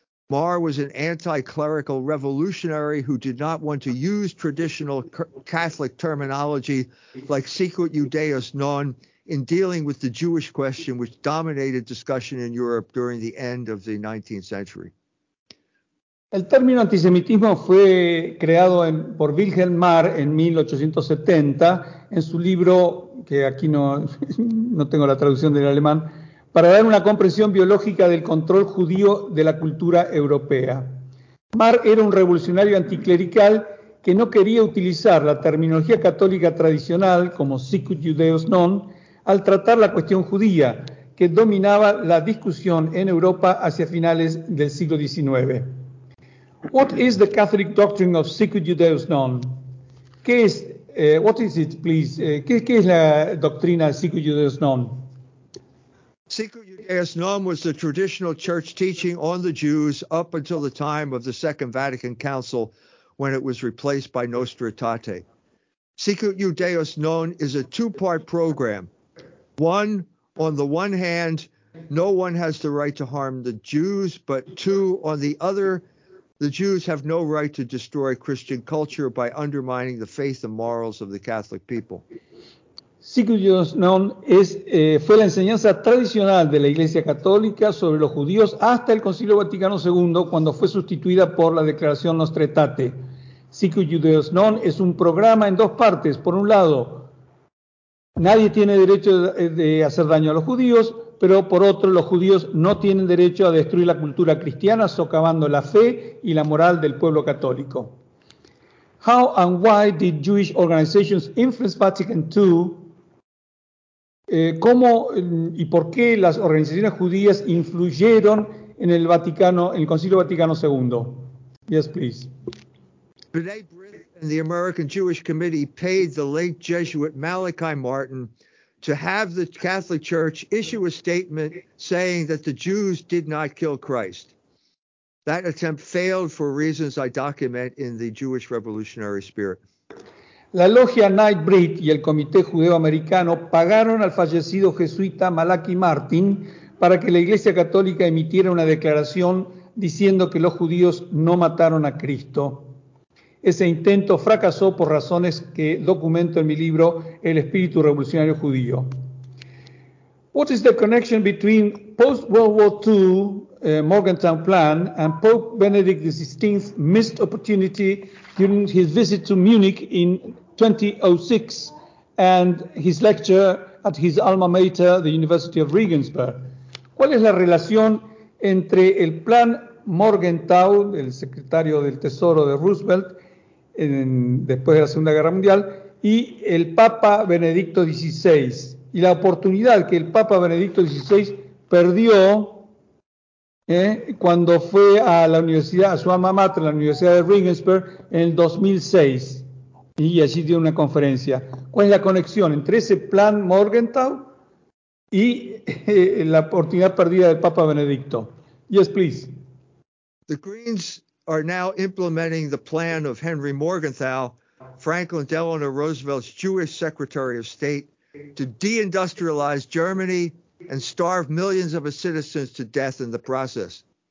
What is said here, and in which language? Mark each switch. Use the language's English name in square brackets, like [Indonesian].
[English] Marr was an anti-clerical revolutionary who did not want to use traditional Catholic terminology like secret Judaeus non in dealing with the Jewish question, which dominated discussion in Europe during the end of the 19th century. [Spanish] El término antisemitismo fue creado por Wilhelm Marr en 1870 en su libro, que aquí no tengo la traducción del alemán, para dar una comprensión biológica del control judío de la cultura europea. Marr era un revolucionario anticlerical que no quería utilizar la terminología católica tradicional como sicut judeus non al tratar la cuestión judía, que dominaba la discusión en Europa hacia finales del siglo XIX. [English] What is the Catholic doctrine of sicut judeus non? [Spanish] ¿Qué es, [English] what is it, please? [Spanish] ¿Qué es la doctrina sicut judeus non? [English] Sicut Judaeus non was the traditional church teaching on the Jews up until the time of the Second Vatican Council, when it was replaced by Nostra Aetate. Sicut Judaeus non is a two-part program. One, on the one hand, no one has the right to harm the Jews, but two, on the other, the Jews have no right to destroy Christian culture by undermining the faith and morals of the Catholic people. [Spanish] Sicut Judaeus non fue la enseñanza tradicional de la Iglesia Católica sobre los judíos hasta el Concilio Vaticano II, cuando fue sustituida por la Declaración Nostra Aetate. Sicut Judaeus non es un programa en dos partes. Por un lado, nadie tiene derecho de hacer daño a los judíos, pero por otro, los judíos no tienen derecho a destruir la cultura cristiana, socavando la fe y la moral del pueblo católico. [English] How and why did Jewish organizations influence Vatican II? [Spanish] ¿Cómo y por qué las organizaciones judías influyeron en el Vaticano, en el Concilio Vaticano II? [English] Yes, please. B'nai B'rith and the American Jewish Committee paid the late Jesuit Malachi Martin to have the Catholic Church issue a statement saying that the Jews did not kill Christ. That attempt failed for reasons I document in the Jewish Revolutionary Spirit. [Spanish] La logia Knight Britt y el Comité Judeo Americano pagaron al fallecido jesuita Malachi Martin para que la Iglesia Católica emitiera una declaración diciendo que los judíos no mataron a Cristo. Ese intento fracasó por razones que documento en mi libro El Espíritu Revolucionario Judío. [English] What is the connection between post-World War II Morgantown Plan and Pope Benedict XVI's missed opportunity during his visit to Munich in 2006 and his lecture at his alma mater, the University of Regensburg? [Spanish] ¿Cuál es la relación entre el plan Morgenthau, el secretario del Tesoro de Roosevelt, después de la Segunda Guerra Mundial, y el Papa Benedicto XVI, y la oportunidad que el Papa Benedicto XVI perdió cuando fue a la universidad, a su alma mater, la Universidad de Regensburg, en el 2006, y allí dio una conferencia? ¿Cuál es la conexión entre ese plan Morgenthau y la oportunidad perdida del Papa Benedicto? [English] Yes, please. The Greens are now implementing the plan of Henry Morgenthau, Franklin Delano Roosevelt's Jewish Secretary of State, to deindustrialize Germany and starve millions of its citizens to death in the process.